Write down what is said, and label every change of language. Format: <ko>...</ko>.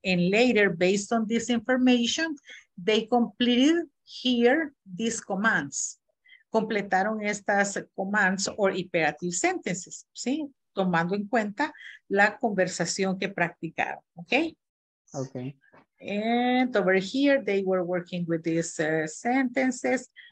<en>And later, based on this information, they completed here these commands.</en> <es>Completaron estas commands or imperative sentences, ¿sí? Tomando en cuenta la conversación que practicaron, ¿ok?</es> <en>Ok. And over here, they were working with these sentences.</en>